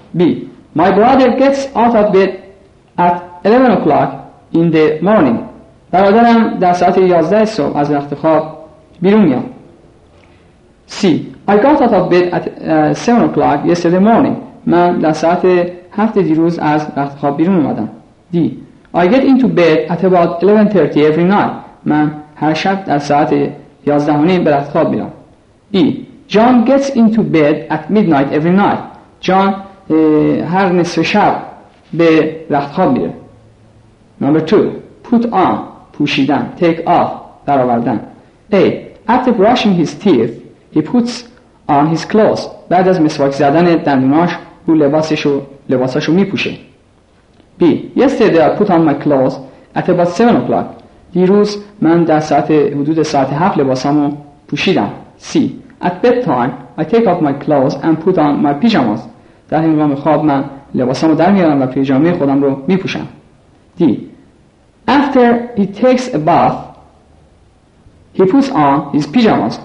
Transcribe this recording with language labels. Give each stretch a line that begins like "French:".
English: B. My brother gets out of bed at 11 o'clock in the morning.
Persian: برادرم در ساعت 11 صبح از رخت خواب بیرون میام.
English: C. I got out of bed at 7 o'clock yesterday morning.
Persian: من در ساعت 7 دیروز از رخت خواب بیرون اومدم. D.
English: I get into bed at about 11:30 every night.
Persian: من هر شب در ساعت 11:30 به رخت خواب میرم.
English: E. John gets into bed at midnight every night.
Persian: John هر نصف شب به رخت خواب میره.
English: Number 2. Put on.
Persian: پوشیدن.
English: Take off.
Persian: برآوردن.
English: A. After brushing his teeth, he puts on his clothes.
Persian: بعد از مسواک زدن دندوناش او لباسشو میپوشه. B.
English: Yesterday I put on my clothes at about 7 o'clock.
Persian: دیروز من در ساعت حدود ساعت 7 لباسامو پوشیدم.
English: C. At bedtime I take off my clothes and put on my pyjamas.
Persian: در هنگام خواب من لباسامو در میارم و پیجامه خودم رو میپوشم.
English: D. After he takes a bath, he puts on his pyjamas.